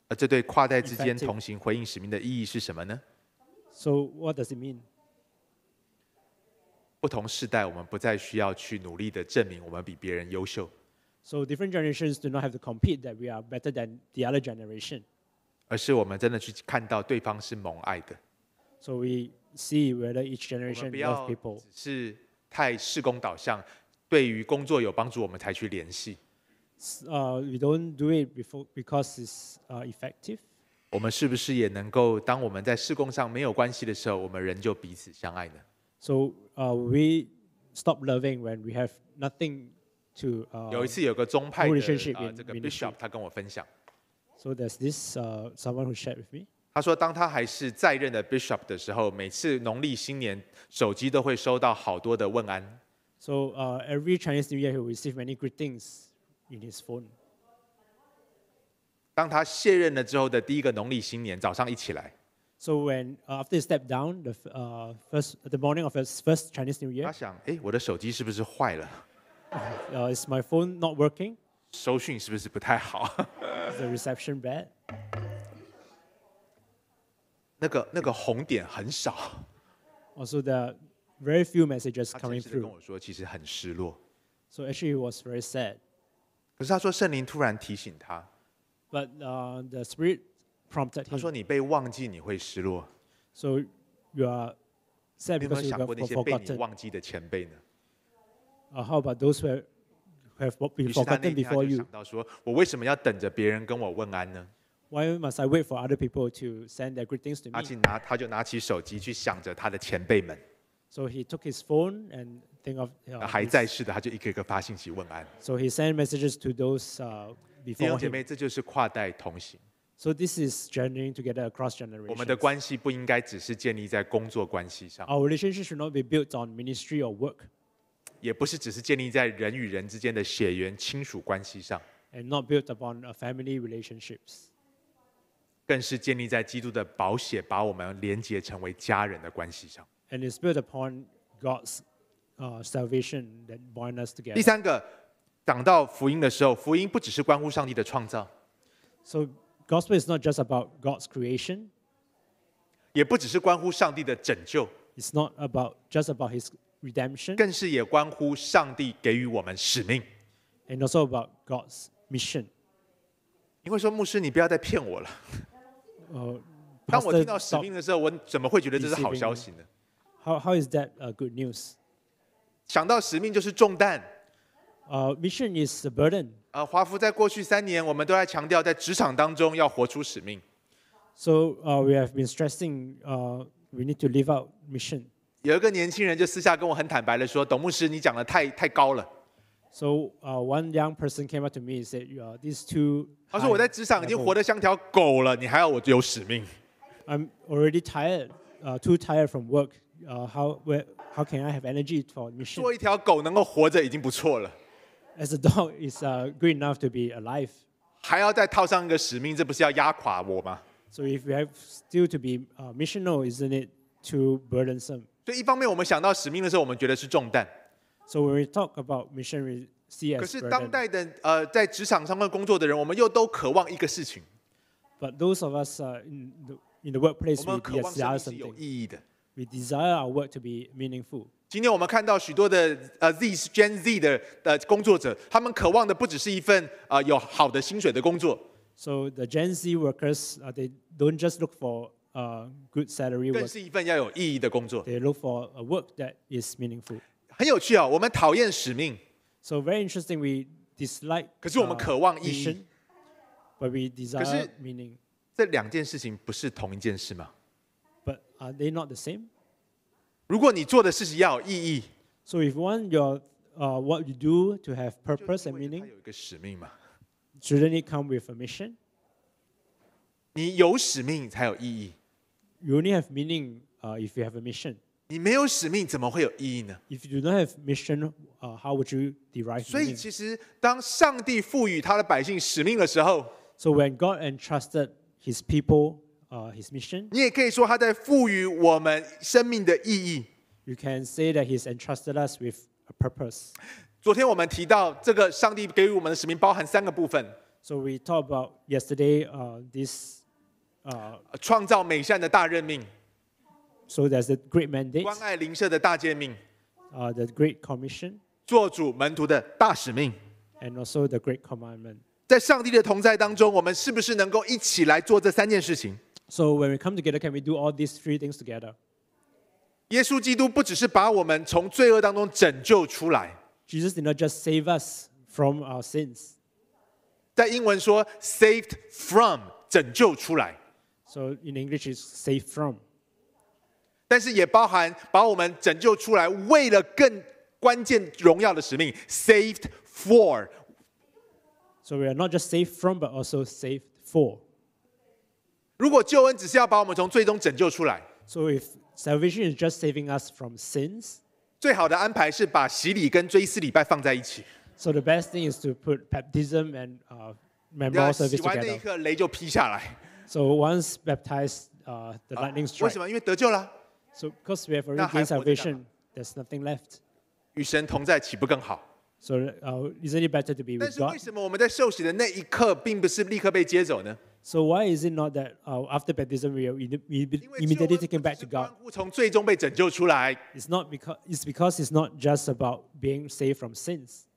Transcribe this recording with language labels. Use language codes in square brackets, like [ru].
[zh] 而这对跨代之间同行回应使命的意义是什么呢 [en] ？So what does it mean? [zh] 不同世代，我们不再需要去努力的证明我们比别人优秀。 [en] So different generations do not have to compete that we are better than the other generation. [zh] 而是我们真的去看到对方是蒙爱的。 [en] So we see whether each generation loves people. [zh] 我们不要只是太事工导向。对于工作有帮助，我们才去联系。 [en] We don't do it before because it's effective. [zh] 我们是不是也能够，当我们在事工上没有关系的时候，我们仍旧彼此相爱呢 [en] ？So, we stop loving when we have nothing to. [zh] 有一次有个宗派的这个 bishop 他跟我分享。 [en] So there's this someone who shared with me. [zh] 他说，当他还是在任的 bishop 的时候，每次农历新年，手机都会收到好多的问安。 [en] So every Chinese New Year, he will receive many greetings in his phone. [zh] 当他卸任了之后的第一个农历新年早上一起来。 [en] So when after he stepped down, the the morning of his first Chinese New Year, [zh] 他想，哎，我的手机是不是坏了？ [en] Is my phone not working? [zh] 收讯是不是不太好？ [en] Is the reception bad? [zh] 那个红点很少。 [en] Also the. Very few messages coming through. [zh] 他跟我说，其实很失落。 [en] So actually, he was very sad. [zh] 可是他说，圣灵突然提醒他。 [en] But the spirit prompted him. [zh] 他说，你被忘记，你会失落。 [en] So you are sad because you have forgotten. [zh] 有没有想过那些被你忘记的前辈呢？ [en] How about those who have been forgotten before you? [zh] 于是他那天就想到说，我为什么要等着别人跟我问安呢？ [en] Why must I wait for other people to send their greetings to me? [zh] 他就拿起手机去想着他的前辈们。 [en] So he took his phone and think of. [zh] 还在世的，他就一个一个发信息问安。 [en] So he sent messages to those before. [zh] 弟兄姐妹，这就是跨代同行。 [en] So this is journeying together across generations. [zh] 我们的关系不应该只是建立在工作关系上。 [en] Our relationship should not be built on ministry or work. [zh] 也不是只是建立在人与人之间的血缘亲属关系上。 [en] And not built upon family relationships. [zh] 更是建立在基督的宝血把我们连结成为家人的关系上。 [en] And it's built upon God's salvation that bind us together. [zh] 第三个，讲到福音的时候，福音不只是关乎上帝的创造。 [en] So gospel is not just about God's creation. [zh] 也不只是关乎上帝的拯救。 [en] It's not about just about His redemption. [zh] 更是也关乎上帝给予我们使命。 [en] And also about God's mission. [zh] 你会说，牧师，你不要再骗我了。当我听到使命的时候，我怎么会觉得这是好消息呢？ [en] How is that good news? [zh] 想到使命就是重担。 [en] Mission is a burden. [zh] 华福在过去三年，我们都在强调在职场当中要活出使命。 [en] So we have been stressing we need to live out mission. [zh] 有一个年轻人就私下跟我很坦白的说：“董牧师，你讲的太高了。” [en] So, one young person came up to me and said, "These two." [zh] 他说我在职场已经活得像条狗了，你还要我有使命 [en] ？I'm already tired, too tired from work. How can I have energy for mission? [zh] 做一条狗能够活着已经不错了。 [en] As a dog is good enough to be alive. [zh] 还要再套上一个使命，这不是要压垮我吗 [en] ？So if we have still to be missional, isn't it too burdensome? [zh] 所以一方面我们想到使命的时候，我们觉得是重担。 [en] So when we talk about mission, we see as [zh] 可是当代的在职场上工作的人，我们又都渴望一个事情。 [en] But those of us in the workplace, we desire something. [zh] 我们渴望是有意义的。 [en] We desire our work to be meaningful. [zh] 今天我们看到许多的Gen Z 的工作者，他们渴望的不只是一份有好的薪水的工作。 [en] So the Gen Z workers, they don't just look for good salary work. [zh] 更是一份要有意义的工作。 [en] They look for a work that is meaningful. [zh] 很有趣哦，我们讨厌使命。 [en] So very interesting, we dislike. [zh] 可是我们渴望意义。 [en] But we desire meaning. [zh] 可是这两件事情不是同一件事吗 [en] ？But are they not the same? [zh] 如果你做的事情要有意义 [en] ，So if one your what you do to have purpose and meaning, [zh] 就因为它有一个使命嘛 [en] ？Shouldn't it come with a mission? [zh] 你有使命才有意义。 [en] You only have meaning if you have a mission. [zh] 你没有使命怎么会有意义呢 [en] ？If you do not have mission, how would you derive meaning? [zh] 所以其实当上帝赋予他的百姓使命的时候 [en] ，So when God entrusted His people, His mission, [zh] 你也可以说他在赋予我们生命的意义。 [en] You can say that He's entrusted us with a purpose. [zh] 昨天我们提到这个上帝给予我们的使命包含三个部分。 [en] So we talked about yesterday, this, [zh] 创造美善的大任命。 [en] So there's a great mandate. [zh] 关爱邻舍的大诫命。 [en] The great commission. [zh] 做主门徒的大使命。 [en] And also the great commandment. [zh] 在上帝的同在当中，我们是不是能够一起来做这三件事情 [en] ？So when we come together, can we do all these three things together? [zh] 耶稣基督不只是把我们从罪恶当中拯救出来。 [en] Jesus did not just save us from our sins. [zh] 在英文说 [en] saved from [zh] 拯救出来。 [en] So in English, it's saved from. [zh] 但是也包含把我们拯救出来，为了更关键荣耀的使命 ， [en] saved for。 So we are not just saved from, but also saved for. [zh] 如果救恩只是要把我们从最终拯救出来 [en] ，So if salvation is just saving us from sins, [zh] 最好的安排是把洗礼跟追思礼拜放在一起。 [en] So the best thing is to put baptism and memorial service together. [zh] 洗完那一刻雷就劈下来。 [en] So once baptized, the lightning strikes. [zh] 为什么？因为得救了。 [en] So because we have already gained salvation, there's nothing left. [zh] 与神同在岂不更好 [en] ？So, isn't it better to be with God? [zh] 但是为什么我们在受洗的那一刻，并不是立刻被接走呢 [en] ？So why is it not that after baptism we are immediately taken back to God? [zh] 从最终被拯救出来。 [en] It's because it's not just about being saved from sins.